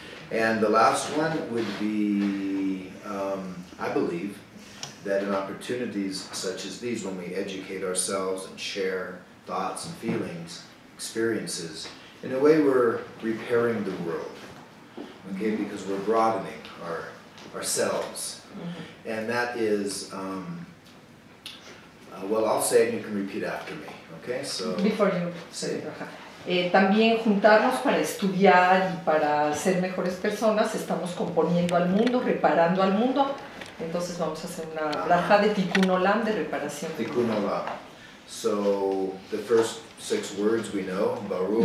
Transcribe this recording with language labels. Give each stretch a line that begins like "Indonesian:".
English: And the last one would be, I believe that in opportunities such as these, when we educate ourselves and share thoughts and feelings, experiences, in a way we're repairing the world. Okay, because we're broadening ourselves. Mm-hmm. And that is, well, I'll say it and you can repeat after me. Okay, so. Before you say it.
Spanish: También juntarnos para estudiar y para ser mejores personas. Estamos componiendo al mundo, reparando al mundo. Entonces vamos a hacer una braja de Tikkun Olam, de reparación.
Hebrew: Tikkun Olam.
English: So, the first six words we know, Baruch